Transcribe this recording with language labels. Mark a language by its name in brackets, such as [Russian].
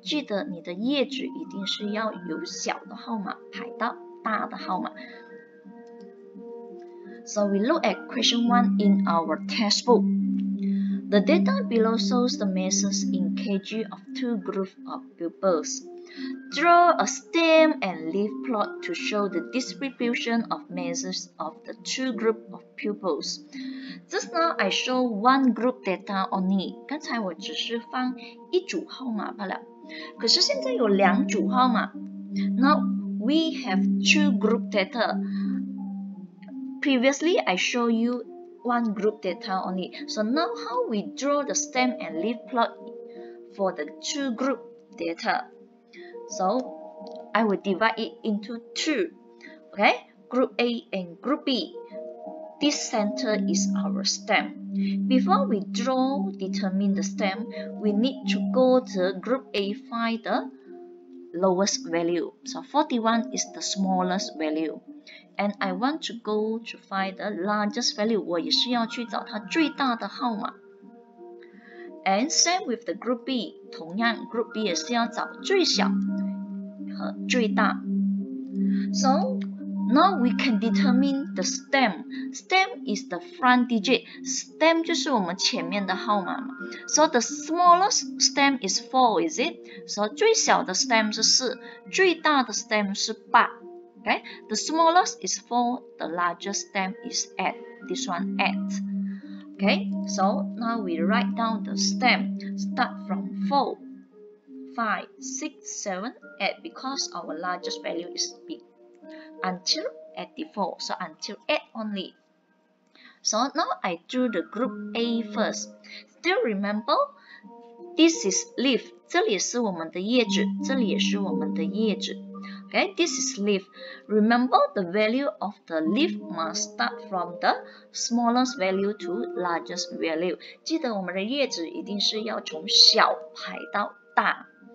[Chinese] 记得你的叶子一定是要由小的号码排到大的号码。 [English] So we look at question 1 in our textbook. The data below shows the measures in kg of 2 groups of pupils. Draw a stem and leaf plot to show the distribution of measures of the 2 groups of pupils. Just now, I show one group data only. [Chinese] 刚才我只是放一组号码罢了。可是现在有两组号码。 [English] Now, we have two group data. Previously, I show you one group data only. So now, how we draw the stem and leaf plot for the two group data? So, I will divide it into two. Okay, group A and group B. This center is our stem. Before we draw, determine the stem, we need to go to group A, find the lowest value. So 41 is the smallest value. And I want to go to find the largest value. [Chinese] 我也是要去找它最大的号码。 [English] And same with the group B. [Chinese] 同样 group B 也是要找最小和最大。 [English] So Now we can determine the stem. Stem is the front digit. Stem [Chinese] 就是我们前面的号码嘛。 [English] So the smallest stem is 4, is it? [Chinese] So 最小的 stem 是 4, 最大的 stem 是 8. Okay? [English] The smallest is 4, the largest stem is 8. This one 8. Okay? So now we write down the stem. Start from 4, 5, 6, 7, 8 because our largest value is B. Until 84, so until 8 only. So now I drew the group A first. Still remember, this is leaf. [Chinese] 这里是我们的叶子，这里也是我们的叶子。 [English] Okay, this is leaf. Remember, the value of the leaf must start from the smallest value to largest value. [Chinese] 记得我们的叶子一定是要从小排到大。